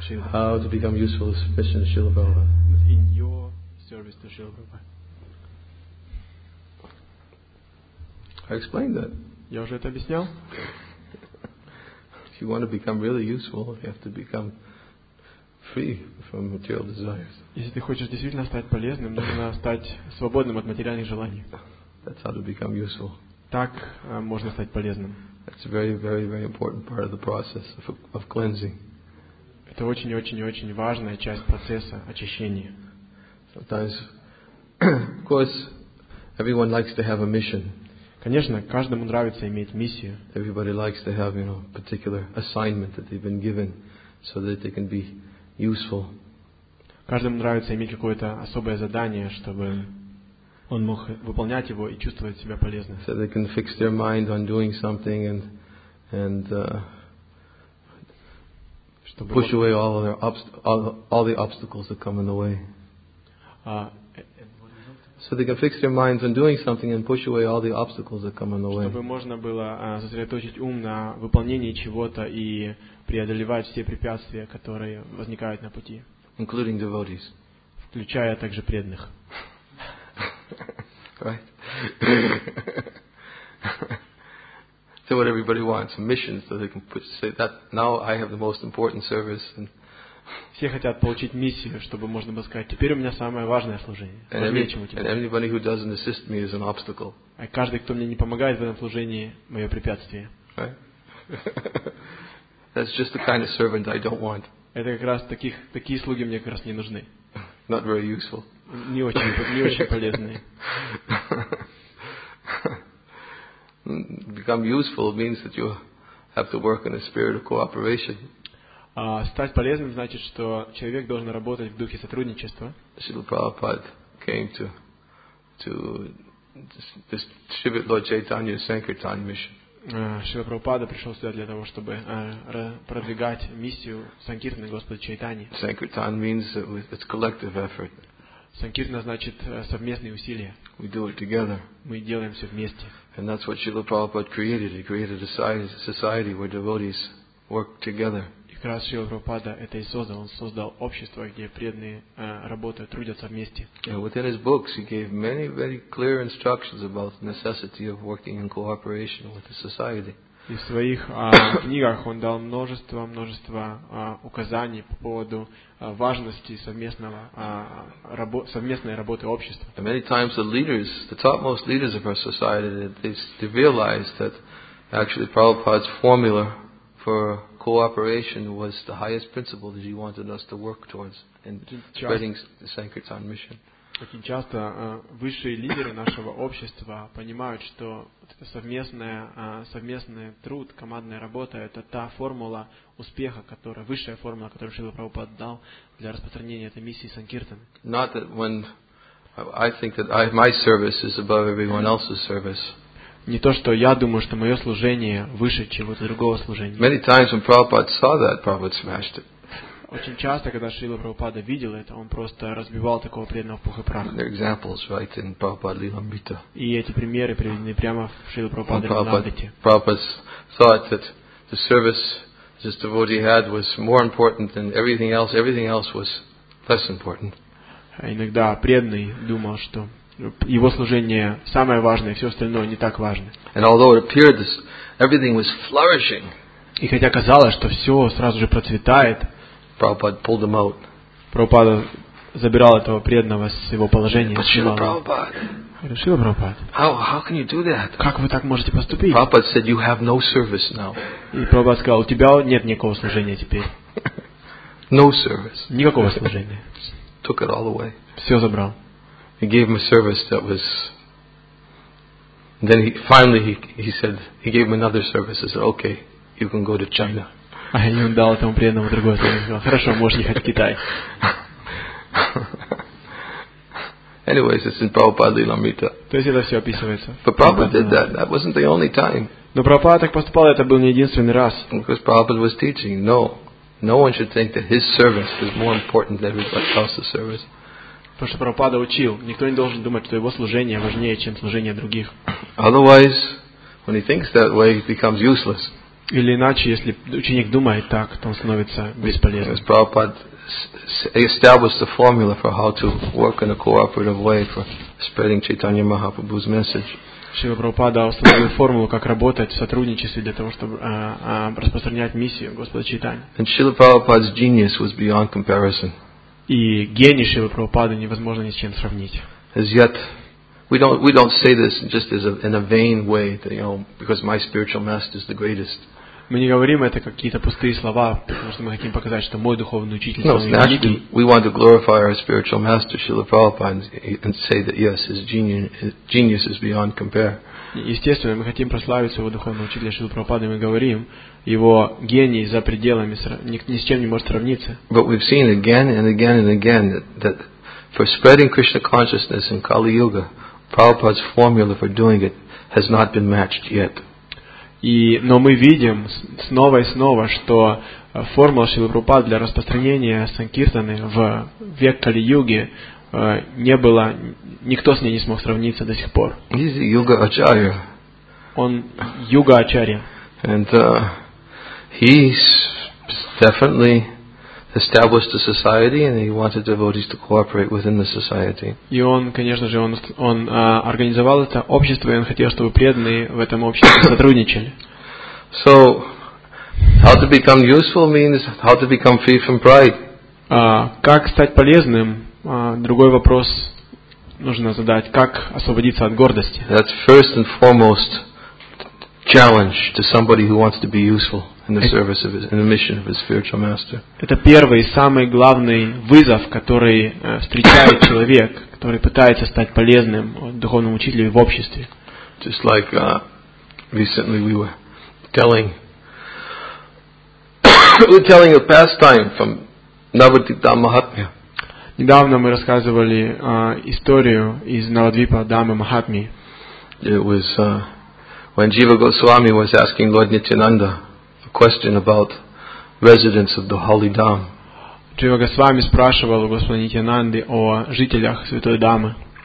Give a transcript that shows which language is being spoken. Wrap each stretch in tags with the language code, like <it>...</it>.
<en>How to become useful as a mission to Srila Prabhupada. In your service to Srila Prabhupada. I explained that.</en> <ru>Я уже это объяснял.</ru> <en>If you want to become really useful, you have to become free from material desires.</en> <ru>Если ты хочешь действительно стать полезным, нужно стать свободным от материальных желаний.</ru> <en>That's how to become useful.</en> <ru>Так можно стать полезным.</ru> <en>It's a very, very, very important part of the process of cleansing.</en> <ru>Это очень, очень, очень важная часть процесса очищения.</ru> <en>Sometimes, of course, everyone likes to have a mission.</en> <ru>Конечно, каждому нравится иметь миссию.</ru> <en>Everybody likes to have, you know, particular assignment that they've been given, so that they can be useful.</en> <ru>Каждому нравится иметь какое-то особое задание, чтобы он мог выполнять его и чувствовать себя полезным.</ru> <en>So they can fix their mind on doing something and push away all the obstacles that come in the way. So they can fix their minds on doing something and push away all the obstacles that come in the way.</en> <ru>Чтобы можно было сосредоточить ум на выполнении чего-то и преодолевать все препятствия, которые возникают на пути.</ru> <en>Including devotees.</en> <ru>Включая также преданных.</ru> <en>Right. So what everybody wants, a mission, so they can put, say that now I have the most important service. And</en> <ru>все хотят получить миссию, чтобы можно было сказать, теперь у меня самое важное служение.</ru> <en>And anybody who doesn't assist me is an obstacle.</en> <ru>А каждый, кто мне не помогает в этом служении, мое препятствие.</ru> <en>Right. That's just the kind of servant I don't want.</en> <ru>Это как раз такие слуги мне как раз не нужны.</ru> <en>Not very useful.</en> <ru>Не очень полезные.</ru> <en>Become useful means that you have to work in a spirit of cooperation.</en> <ru>Стать полезным значит, что человек должен работать в духе сотрудничества.</ru> <en>Srila Prabhupada came to distribute Lord Chaitanya's Sankirtan mission.</en> <ru>Шрила Прабхупада пришел сюда для того, чтобы продвигать миссию Санкиртаны Господа Чайтани.</ru> <en>Sankirtan means it's collective effort.</en> <ru>Санкиртана значит совместные усилия.</ru> <en>We do it together.</en> <ru>Мы делаем все вместе.</ru> <en>And that's what Srila Prabhupada created. He created a society where devotees work together.</en> <ru>И как раз Шрила Прабхупада это и создал. Он создал общество, где преданные работают, трудятся вместе.</ru> <en>And within his books he gave many very clear instructions about the necessity of working in cooperation with the society.</en> <ru>И в своих книгах он дал множество указаний по поводу важности совместной работы общества.</ru> <en>And many times the leaders, the topmost leaders of our society, they realized that actually Prabhupada's formula for cooperation was the highest principle that he wanted us to work towards in spreading the Sankirtan mission.</en> <ru>Очень часто высшие лидеры нашего общества понимают, что совместный труд, командная работа – это та формула успеха, которая высшая формула, которую Шрила Прабхупада дал для распространения этой миссии Санкиртан.</ru> <en>Not that when I think that my service is above everyone else's service.</en> <ru>Не то, что я думаю, что мое служение выше чего-то другого служения.</ru> <en>Many times when Prabhupada saw that, Prabhupada smashed it.</en> <ru>Очень часто, когда Шрила Прабхупада видел это, он просто разбивал такого преданного в пух и прах.</ru> <en>There are examples right in Prabhupada Lilamrita.</en> <ru>И эти примеры приведены прямо в Шрила Прабхупада Лиламрите.</ru> <en>Prabhupada thought that the service this devotee had was more important than everything else. Everything else was less important.</en> <ru>Иногда преданный думал, что его служение самое важное, все остальное не так важно.</ru> <en>And although it appeared that everything was flourishing.</en> <ru>И хотя казалось, что все сразу же процветает.</ru> <en>Prabhupada pulled him out.</en> <ru>Прабхупада забирал этого преданного с его положения.</ru> <en>Srila Prabhupada. How can you do that?</en> <ru>Как вы так можете поступить?</ru> <en>Prabhupada said you have no service now.</en> <ru>И Прабхупада сказал, у тебя нет никакого служения теперь.</ru> <en>No service.</en> <ru>Никакого служения.</ru> <en>Took it all away.</en> <ru>Все забрал.</ru> <en>He gave him a service that was. Then he finally he said he gave him another service. He said, okay, you can go to China.</en> <ru>А и он дал этому преданному другое слово. Хорошо, можешь ехать в Китай.</ru> <en>Anyways, it's in Prabhupada Lilamrita.</en> <ru>То есть это все описывается.</ru> <en>But Prabhupada did that. That wasn't the only time.</en> <ru>Но Прабхупада так поступал, это был не единственный раз.</ru> <en>Because Prabhupada was teaching, no. No one should think that his service is more important than everybody else's service.</en> <ru>Потому что Прабхупада учил, никто не должен думать, что его служение важнее, чем служение других.</ru> <en>Otherwise, when he thinks that way, it becomes useless.</en> <ru>Или иначе, если ученик думает так, то он становится бесполезным.</ru> <en>Because Prabhupada established the formula for how to work in a cooperative way for spreading Chaitanya Mahaprabhu's message.</en> <ru>Шрила Прабхупада установил формулу, как работать в сотрудничестве для того, чтобы распространять миссию Господа Чайтаньи.</ru> <en>And Shrila Prabhupada's genius was beyond comparison.</en> <ru>И гений Шрила Прабхупады невозможно ни с чем сравнить.</ru> <en>As yet, we don't say this just as in a vain way, that, you know, because my spiritual master is the greatest.</en> <ru>Мы не говорим это какие-то пустые слова, потому что мы хотим показать, что мой духовный учитель самый великий.</ru> <en>No, actually, we want to glorify our spiritual master, Srila Prabhupada, and say that, yes, his genius is beyond compare.</en> <ru>Естественно, мы хотим прославить своего духовного учителя Шрилу Прабхупаду, и мы говорим, его гений за пределами ни с чем не может сравниться.</ru> <en>But we've seen again and again and again that for spreading Krishna consciousness in Kali Yuga, Prabhupada's formula for doing it has not been matched yet.</en> <ru>Но мы видим снова и снова, что формула Шрилы Прабхупады для распространения санкиртаны в век Кали-Юги не было, никто с ней не смог сравниться до сих пор.</ru> <en>He's a Yuga Acharya.</en> <ru>Он Юга Ачарья.</ru> <en>And he's definitely established a society, and he wanted devotees to cooperate within the society.</en> <ru>И он, конечно же, он организовал это общество, и он хотел, чтобы преданные в этом обществе сотрудничали.</ru> <en>So, how to become useful means how to become free from pride.</en> <ru>Как стать полезным? Другой вопрос нужно задать: как освободиться от гордости?</ru> <en>That's first and foremost challenge to somebody who wants to be useful. In the service of his, in the mission of his spiritual master.</en> <ru>Это первый и самый главный вызов, который встречает человек, который пытается стать полезным духовному учителю в обществе.</ru> <en>Just like recently we were telling, a pastime from Navadvipa Mahatmya.</en> <ru>Недавно мы рассказывали историю из Навадвипа Дамы Махатми.</ru> <en>It was when Jiva Goswami was asking Lord Nityananda. Question about residents of the Holy Dham.</en> <ru>Джива Госвами спрашивал у господа Нитьянанды о жителях Святой Дамы.</ru>